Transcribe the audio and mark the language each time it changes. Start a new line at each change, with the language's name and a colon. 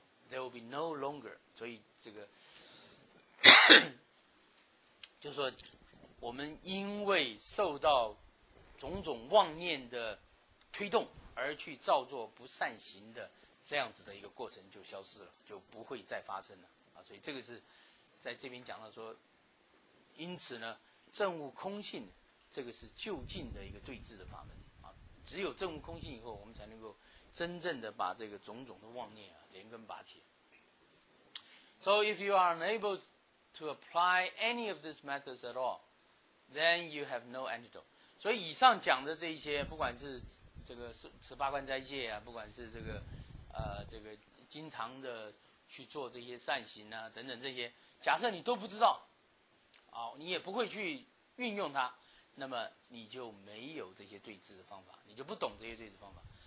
English: There will be no longer，
Chinese: 所以这个就是说，我们因为受到种种妄念的推动而去造作不善行的这样子的一个过程就消失了，就不会再发生了啊。所以这个是在这边讲到说，因此呢，证悟空性这个是就近的一个对治的法门啊。只有证悟空性以后，我们才能够真正的把这个种种的妄念啊。
English: So if you are unable to apply any of these methods at all, then you have no antidote.
Chinese: 所以以上讲的这些，不管是这个十八关斋戒啊，不管是这个这个经常的去做这些善行啊等等这些，假设你都不知道，啊，你也不会去运用它，那么你就没有这些对治的方法，你就不懂这些对治方法。